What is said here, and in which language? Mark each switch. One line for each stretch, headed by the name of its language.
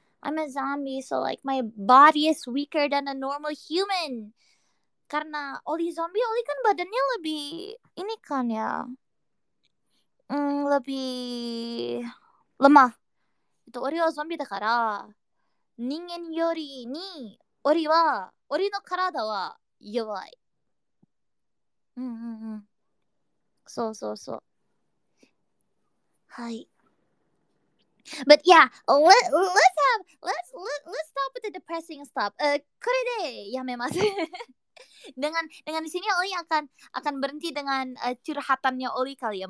English: I'm a zombie, so like my body is weaker than a normal human.
Indonesian: Karena Oli zombie, Oli kan badannya lebih ini kan ya? Lebih lemah.
Japanese: オリはゾンビだから人間よりにオリはオリの体は弱い。うんうんうん。そうそうそう。はい。
English: But yeah, let's stop with the depressing stuff.
Japanese: これでやめます。
Indonesian: dengan di sini Oli akan berhenti dengan curhatannya Oli kali ya.